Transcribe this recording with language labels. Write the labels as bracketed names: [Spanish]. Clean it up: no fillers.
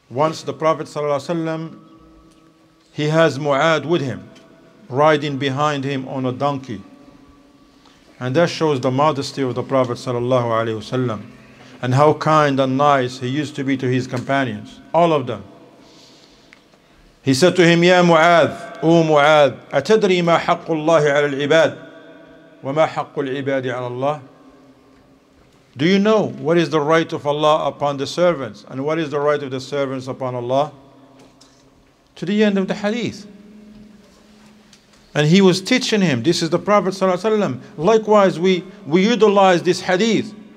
[English] Once the Prophet ﷺ, he has Mu'ad with him, riding behind him on a donkey. And that shows the modesty of the Prophet ﷺ and how kind and nice he used to be to his companions, all of them. He said to him, [Arabic] يَا مُعَاذ, أُو مُعَاذ, أَتَدْرِي مَا حَقُّ اللَّهِ عَلَى الْعِبَادِ وَمَا حَقُّ الْعِبَادِ عَلَى اللَّهِ. [English] Do you know what is the right of Allah upon the servants? And what is the right of the servants upon Allah? To the end of the hadith. And he was teaching him. This is the Prophet sallallahu alaihi wasallam. Likewise, we utilize this hadith.